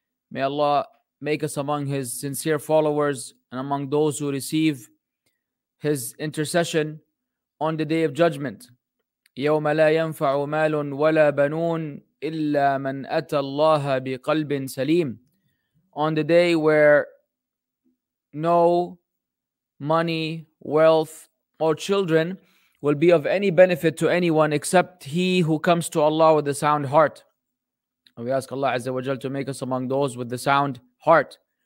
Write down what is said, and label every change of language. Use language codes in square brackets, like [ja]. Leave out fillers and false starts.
[en] May Allah make us among his sincere followers and among those who receive his intercession on the day of judgment. [ar] يوم لا ينفع مال ولا بنون إلا من أتى الله بقلب سليم. [en] On the day where no money, wealth, or children will be of any benefit to anyone except he who comes to Allah with a sound heart. And we ask Allah Azza wa Jal to make us among those with the sound heart.